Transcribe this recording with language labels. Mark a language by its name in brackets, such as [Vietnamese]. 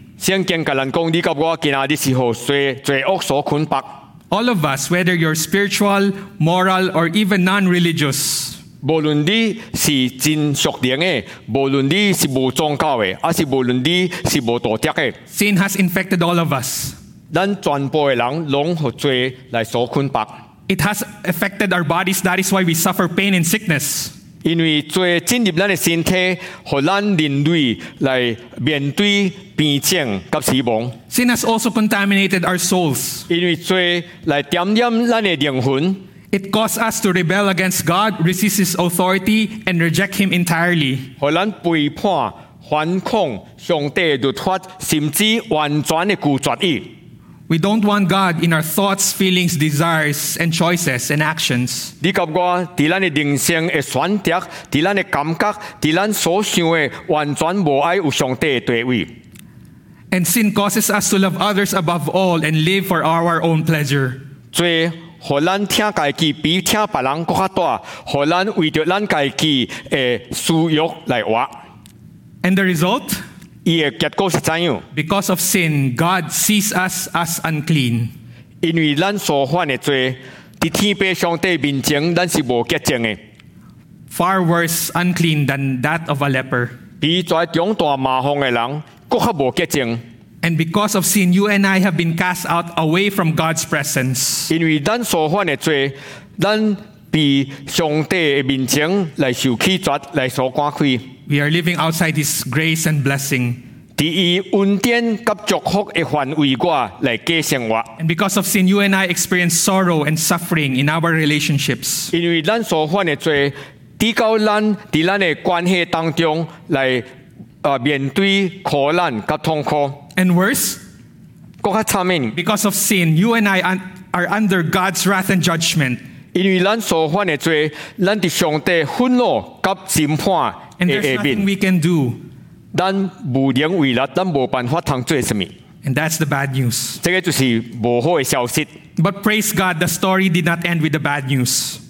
[Min Nan Chinese] 圣经甲咱讲，你甲我今仔日是何罪？罪恶所捆绑。 [English] All of us, whether you're spiritual, moral, or even non-religious, [Min Nan Chinese] 无论你是真属灵的，无论你是无宗教的，还是无论你是无道德的 [English] ，sin has infected all of us. [Min Nan Chinese] 咱全部的人拢何罪来所捆绑 [English] ？It has affected our bodies. That is why we suffer pain and sickness. [Min Nan Chinese] 因为罪进入咱的身体，和咱人类来面对病症及死亡。 [English] Sin has also contaminated our souls. [Min Nan Chinese] 因为罪来点染咱的灵魂。 [English] It caused us to rebel against God, resist His authority, and reject Him entirely. [Min Nan Chinese] 和咱背叛、反抗上帝的律法，甚至完全的拒绝伊。 [English] We don't want God in our thoughts, feelings, desires, and choices and actions. [Min Nan Chinese] 你甲我伫咱的人生的选择，伫咱的感觉，伫咱所想的，完全无爱有上帝的地位。 [English] And sin causes us to love others above all and live for our own pleasure. [Min Nan Chinese] 罪，互咱听家己比听别人更加大，互咱为着咱家己的私欲来活。 [English] And the result? Because of sin, God sees us as unclean. [Min Nan Chinese] 因为咱所犯的罪，在天父上帝面前，咱是无洁净的。 [English] Far worse unclean than that of a leper. [Min Nan Chinese] 比遮中大麻风的人，更加无洁净。 [English] And because of sin, you and I have been cast out away from God's presence. [Min Nan Chinese] 因为咱所犯的罪，咱比上帝的面前来受气绝，来所关亏。 [English] We are living outside His grace and blessing. [Min Nan Chinese] 在祂恩典和祝福的范围外来过生活。 [English] And because of sin, you and I experience sorrow and suffering in our relationships. [Min Nan Chinese] 因为咱所犯的罪，抵到咱在咱的关系当中来面对苦难和痛苦。 [English] And worse, [Min Nan Chinese] 更加惨面。 [English] Because of sin, you and I are under God's wrath and judgment. [Min Nan Chinese] 因为咱所犯的罪，咱在上帝愤怒和审判。 [English] And there's nothing we can do. [Min Nan Chinese] 咱无能为力，咱无办法通做什么。 [English] And that's the bad news. [Min Nan Chinese] 这个就是无好的消息。 [English] But praise God, the story did not end with the bad news.